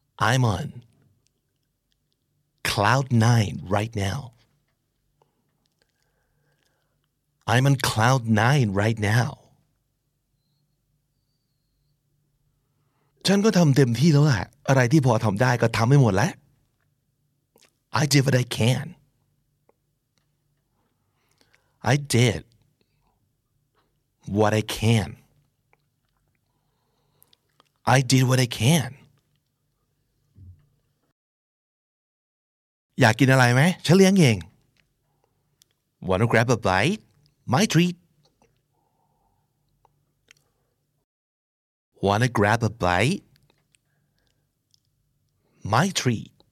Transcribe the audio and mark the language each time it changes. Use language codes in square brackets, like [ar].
[en] I'm on cloud 9 right now. I'm on cloud 9 right now. [th] ฉันก็ทำเต็มที่แล้วแหละอะไรที่พอทำได้ก็ทำให้หมดแล้ว [en] I did what I can I did what I can I did what I can [th] อยากกินอะไรไหมฉันเลี้ยงเอง [en] Wanna grab a bite? My treat Wanna grab a biteMy treat.